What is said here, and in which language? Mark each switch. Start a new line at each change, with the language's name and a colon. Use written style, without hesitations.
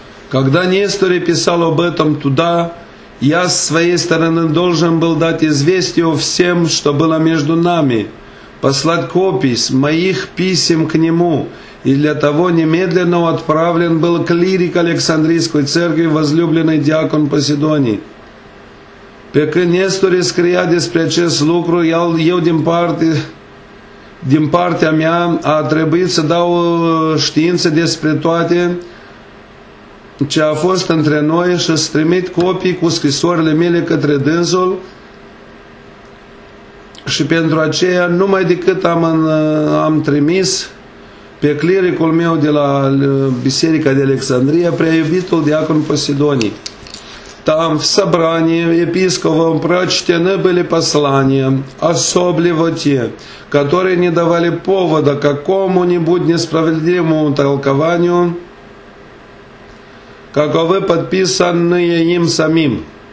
Russian: Когда Нестор писал об этом туда, я с своей стороны должен был дать известие всем, что было между нами, послать копию моих писем к нему, и для того немедленно отправлен был клирик Александрийской церкви, возлюбленный диакон Поседоний.
Romanian: Pe când Nestor scria despre acest lucru, eu din partea mea a trebuit să dau știință despre toate ce a fost între noi și să trimit copii cu scrisorile mele către dânsul și pentru aceea numai decât am trimis pe clericul meu de la Biserica de Alexandria, preaiubitul diacon Poseidonii.
Russian: Там в собрании епископом прочтены были послания, особливо те, которые не давали повода какому-нибудь несправедливому толкованию, каковы подписанные им самим.